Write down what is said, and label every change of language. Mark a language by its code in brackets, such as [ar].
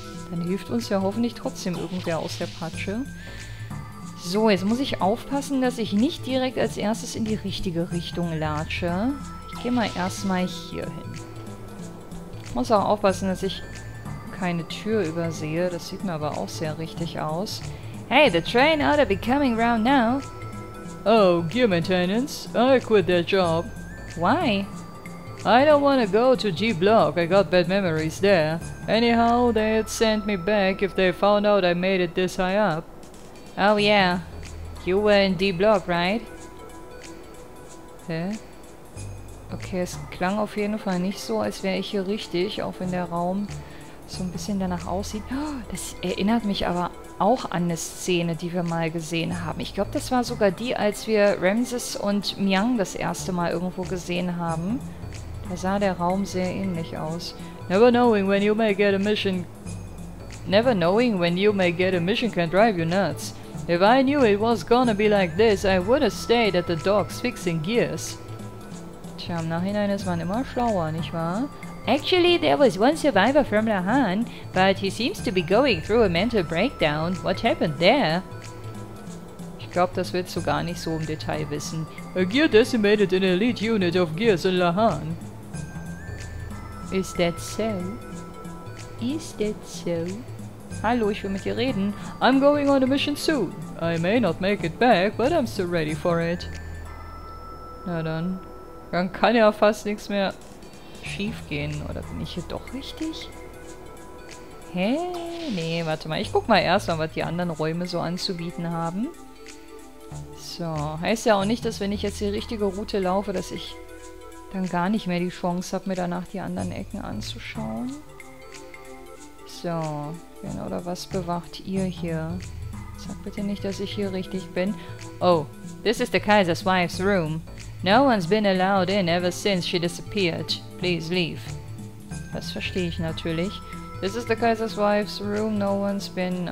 [de] Dann hilft uns ja hoffentlich trotzdem irgendwer aus der Patsche. So, jetzt muss ich aufpassen, dass ich nicht direkt als erstes in die richtige Richtung latsche. Ich gehe mal erstmal hier hin. Muss auch aufpassen, dass ich keine Tür übersehe. Das sieht mir aber auch sehr richtig aus. [en] Hey, the train ought to be coming round now. Oh, gear maintenance. I quit that job. Why? I don't want to go to G Block. I got bad memories there. Anyhow, they'd send me back if they found out I made it this high up. Oh yeah. You were in D-Block, right? Hä? [de] Okay, es klang auf jeden Fall nicht so, als wäre ich hier richtig, auch wenn der Raum so ein bisschen danach aussieht. Das erinnert mich aber auch an eine Szene, die wir mal gesehen haben. Ich glaube, das war sogar die, als wir Ramses und Myang das erste Mal irgendwo gesehen haben. Da sah der Raum sehr ähnlich aus. [en] Never knowing when you may get a mission... Never knowing when you may get a mission can drive you nuts. If I knew it was gonna be like this, I would have stayed at the docks fixing gears. [de] Tja, im Nachhinein ist man immer schlauer, nicht wahr? [en] Actually, there was one survivor from Lahan, but he seems to be going through a mental breakdown. What happened there? [de] Ich glaube, das willst du gar nicht so im Detail wissen. [en] A gear decimated an elite unit of gears in Lahan. Is that so? Is that so? [de] Hallo, ich will mit dir reden. [en] I'm going on a mission soon. I may not make it back, but I'm still ready for it. [de] Na dann. Dann kann ja fast nichts mehr schief gehen. Oder bin ich hier doch richtig? Hä? Nee, warte mal. Ich guck mal erstmal, was die anderen Räume so anzubieten haben. So. Heißt ja auch nicht, dass wenn ich jetzt die richtige Route laufe, dass ich dann gar nicht mehr die Chance habe, mir danach die anderen Ecken anzuschauen. So, genau, oder was bewacht ihr hier? Sag bitte nicht, dass ich hier richtig bin. [en] Oh, this is the Kaiser's wife's room. No one's been allowed in ever since she disappeared. Please leave. [de] Das verstehe ich natürlich. [en] This is the Kaiser's wife's room, no one's been...